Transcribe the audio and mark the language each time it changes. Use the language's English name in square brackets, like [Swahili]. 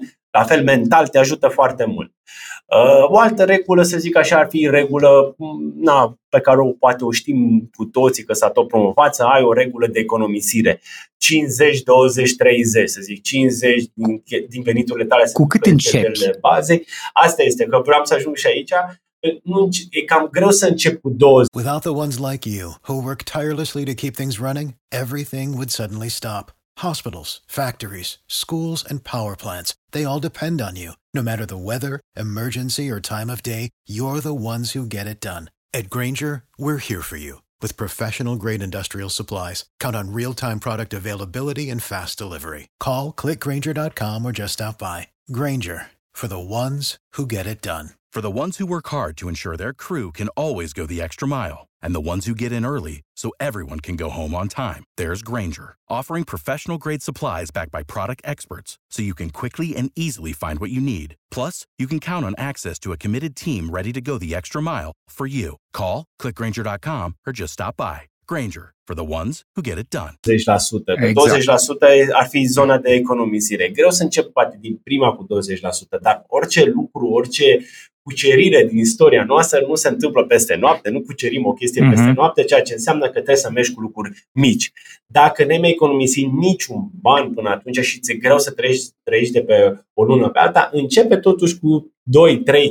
[Romanian] la fel mental, te ajută foarte mult. O altă regulă, să zic așa, ar fi regulă, pe care poate o știm cu toții că s-a tot promovat, să ai o regulă de economisire. 50, 20, 30, să zic, 50 din veniturile tale. Cu cât începi? Baze. Asta este, că vreau să ajung și aici. Nu, e cam greu să încep cu 20. [English] Without the ones like you, who work tirelessly to keep things running, everything would suddenly stop. Hospitals, factories, schools, and power plants, they all depend on you. No matter the weather, emergency, or time of day, you're the ones who get it done. At Grainger, we're here for you. With professional-grade industrial supplies, count on real-time product availability and fast delivery. Call, clickgrainger.com or just stop by. Grainger, for the ones who get it done. For the ones who work hard to ensure their crew can always go the extra mile, and the ones who get in early so everyone can go home on time, there's Grainger, offering professional-grade supplies backed by product experts so you can quickly and easily find what you need. Plus, you can count on access to a committed team ready to go the extra mile for you. Call, clickgrainger.com, or just stop by. Grainger, for the ones who get it done. [Romanian] 20%. Exact. 20% ar fi zona de economisire. Greu să încep poate din prima cu 20%, dar orice lucru, orice cucerire din istoria noastră nu se întâmplă peste noapte, nu cucerim o chestie peste noapte, ceea ce înseamnă că trebuie să mergi cu lucruri mici. Dacă ne-ai economisi niciun ban până atunci și ți-e greu să trăiești de pe o lună pe alta, începe totuși cu 2, 3, 5%.